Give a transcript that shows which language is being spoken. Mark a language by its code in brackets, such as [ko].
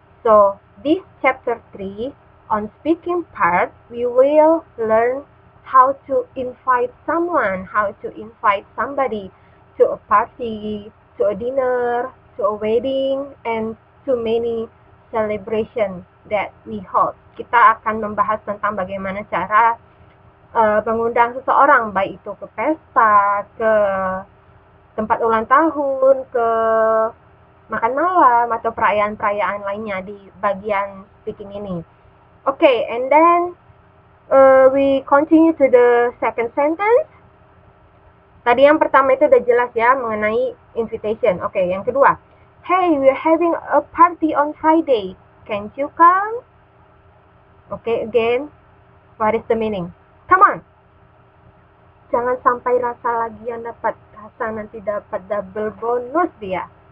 [en] So, this chapter 3, on speaking part, we will learn how to invite someone, how to invite somebody to a party, to a dinner, to a wedding, and to many celebration that we hold. [id] Kita akan membahas tentang bagaimana cara mengundang seseorang, baik itu ke pesta, ke tempat ulang tahun, ke makan malam, atau perayaan-perayaan lainnya di bagian speaking ini. [en] Oke, okay, and then we continue to the second sentence. [id] Tadi yang pertama itu udah jelas ya mengenai invitation. [en] Oke, okay, [id] yang kedua. [en] Hey, we're having a party on Friday. Can't you come? Oke, okay, again. What is the meaning? Come on. [id] Jangan sampai rasa lagi yang dapat rasa nanti dapat double bonus dia.